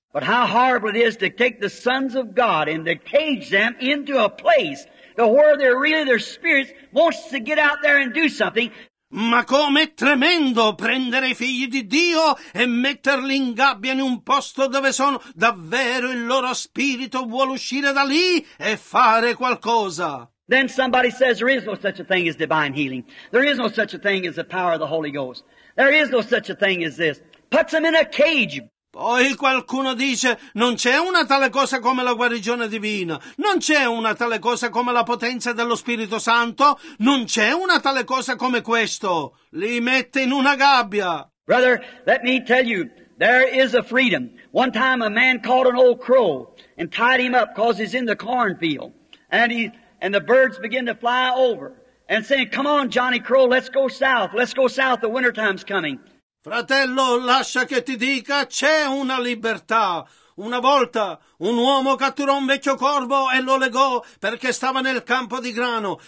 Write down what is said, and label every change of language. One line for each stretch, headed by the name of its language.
English: But how horrible it is to take the sons of God and to cage them into a place where they're really, their spirits wants to get out there and do something.
Italian: Ma com'è tremendo prendere i figli di Dio e metterli in gabbia in un posto dove sono davvero il loro spirito vuole uscire da lì e fare qualcosa.
English: Then somebody says there is no such a thing as divine healing. There is no such a thing as the power of the Holy Ghost. There is no such a thing as this. Puts them in a cage.
Italian: Poi qualcuno dice, non c'è una tale cosa come la guarigione divina, non c'è una tale cosa come la potenza dello Spirito Santo, non c'è una tale cosa come questo. Li mette in una gabbia.
English: Brother, let me tell you, there is a freedom. One time a man caught an old crow and tied him up because he's in the cornfield. And the birds begin to fly over and saying, come on Johnny Crow, let's go south, the winter time's coming.
Italian: Fratello, lascia che ti dica, c'è una libertà. Una volta un uomo catturò un vecchio corvo e lo legò perché stava nel campo di grano.